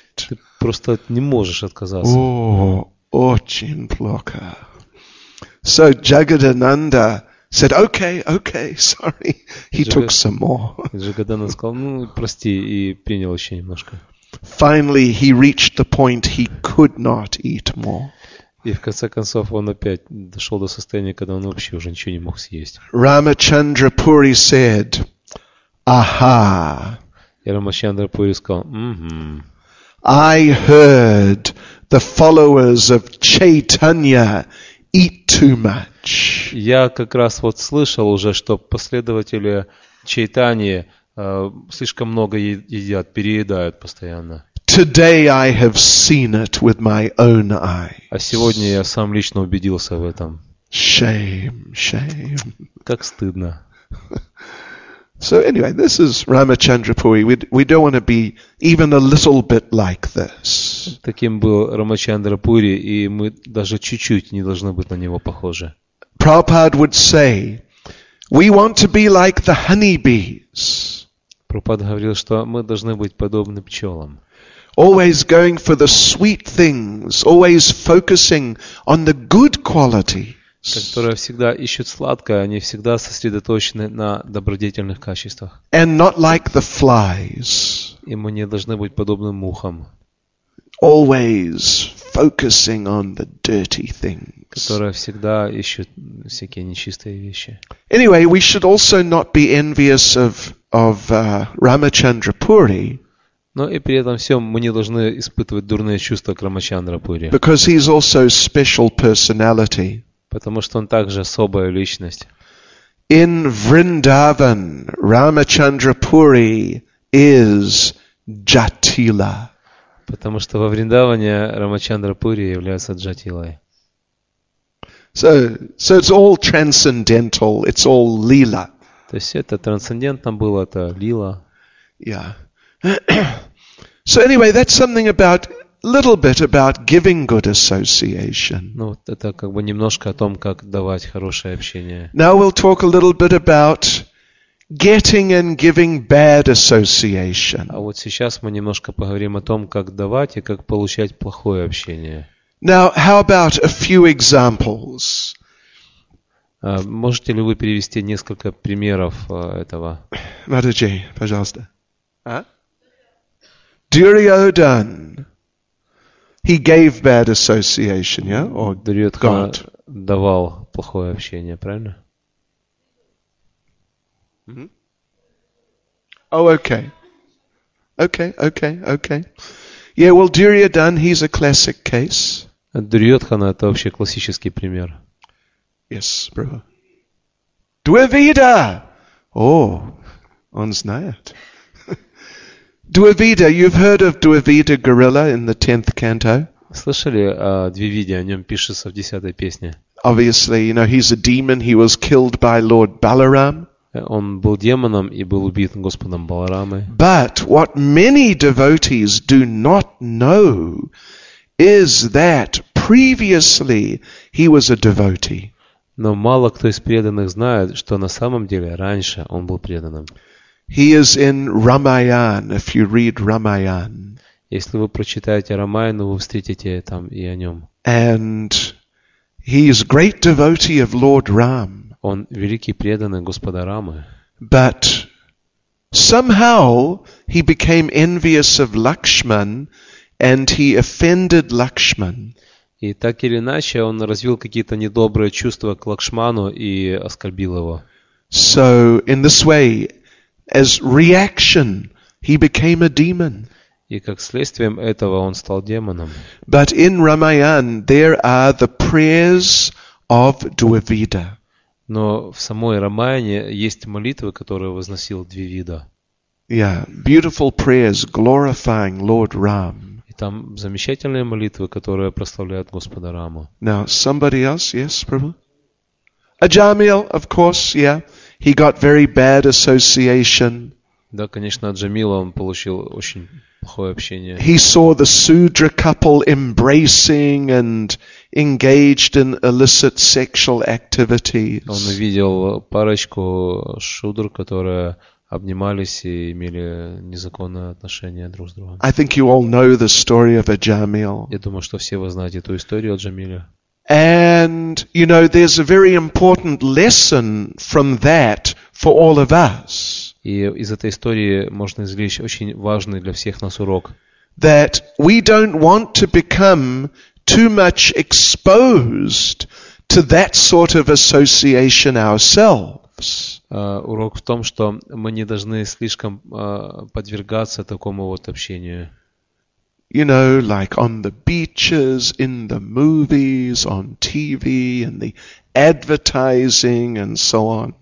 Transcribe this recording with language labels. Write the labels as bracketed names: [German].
[Russian] Ты просто не можешь отказаться. Очень плохо. [English] So Jagadananda said, okay, sorry. He took some more. [Russian] Джагадананда сказал, ну, прости, и принял еще немножко. [English] Finally, he reached the point he could not eat more. [Russian] И в конце концов он опять дошел до состояния, когда он вообще уже ничего не мог съесть. [English] Рамачандрапури said, aha. [Russian] И Рамачандрапури сказал, [English] I heard the followers of Chaitanya eat too much. [Russian] Я как раз вот слышал уже, что последователи Чайтаньи слишком много едят, переедают постоянно. [English] Today I have seen it with my own eyes. [Russian] А сегодня я сам лично убедился в этом. [English] Shame. [Russian] Как стыдно. [English] So anyway, this is Ramachandrapuri. We don't want to be even a little bit like this. [Russian] Таким был Рамачандрапури, и мы даже чуть-чуть не должны быть на него похожи. [English] Prabhupada would say, we want to be like the honeybees. [Russian] Прабхупада говорил, что мы должны быть подобны пчелам. [English] Always going for the sweet things, always focusing on the good qualities. [Russian] которые всегда ищут сладкое, они всегда сосредоточены на добродетельных качествах. [English] And not like the flies. [Russian] И мы не должны быть подобным мухам. [English] Always focusing on the dirty things. [Russian] Которые всегда ищут всякие нечистые вещи. [English] Anyway, we should also not be envious of Ramachandra Puri. [Russian] Но и при этом всем мы не должны испытывать дурные чувства к Рамачандра Пури. [English] Because he is also a special personality. [Russian] Потому что он также особая личность. [English] In Vrindavan, Ramachandra Puri is Jatila. [Russian] Потому что во Вриндаване Рамачандра Пури является Джатилой. [English] So it's all transcendental, it's all lila. [Russian] То есть это трансцендентно было, это лила. [English] Yeah. So anyway, that's something about little bit about giving good association. [Russian] Ну, это как бы немножко о том, как давать хорошее общение. [English] Now we'll talk a little bit about getting and giving bad association. [Russian] А вот сейчас мы немножко поговорим о том, как давать и как получать плохое общение. [English] Now, how about a few examples? [Russian] Можете ли вы привести несколько примеров этого? Мадхаджи, пожалуйста. А? Дюрьодхан. [English] He gave bad association, yeah? Or Дюрьодхан [Russian] давал плохое общение, правильно? [English] Mm-hmm. Oh, okay. Okay. Yeah, well, Duryodhan, he's a classic case. [Russian] Дюрьодхан – это вообще классический пример. [English] Yes, Prabhu. Dvivida! Oh, [Russian] он знает. [English] Dvivida, you've heard of Dvivida Gorilla in the 10th canto? [Russian] Слышали о Двивиде, о нем пишется в 10-й песне. [English] Obviously, you know, he's a demon, he was killed by Lord Balaram. [Russian] Он был демоном и был убит Господом Баларамой. [English] But what many devotees do not know is that previously he was a devotee. [Russian] Но мало кто из преданных знает, что на самом деле раньше он был преданным. [English] He is in Ramayana, if you read Ramayana. [Russian] Если вы прочитаете Рамаяну, вы встретите там и о нем. [English] And he is great devotee of Lord Ram. [Russian] Он великий преданный Господа Рамы. [English] But somehow he became envious of Lakshman and he offended Lakshman. [Russian] И так или иначе он развил какие-то недобрые чувства к Лакшману и оскорбил его. [English] So in this way, as reaction, he became a demon. [Russian] И как следствием этого он стал демоном. [English] But in Ramayana there are the prayers of Dvivida. [Russian] Но в самой Рамаяне есть молитвы, которые возносил Двивида. [English] Yeah, beautiful prayers glorifying Lord Ram. [Russian] И там замечательные молитвы, которые прославляют Господа Раму. [English] Now somebody else, yes, Prabhu. Ajamil, of course, yeah. He got very bad association. [Russian] Да, конечно, Аджамила он получил очень плохое общение. [English] He saw the Sudra couple embracing and engaged in illicit sexual activities. [Russian] Он увидел парочку шудр, которые обнимались и имели незаконные отношения друг с другом. [English] I think you all know the story of Ajamil. [Russian] Я думаю, что все вы знаете эту историю Аджамиля. [English] And you know, there's a very important lesson from that for all of us. [Russian] И из этой истории можно извлечь очень важный для всех нас урок. [English] That we don't want to become too much exposed to that sort of association ourselves. [Russian] Урок в том, что мы не должны слишком подвергаться такому вот общению. [English] You know, like on the beaches, in the movies, on TV, and the advertising, and so on.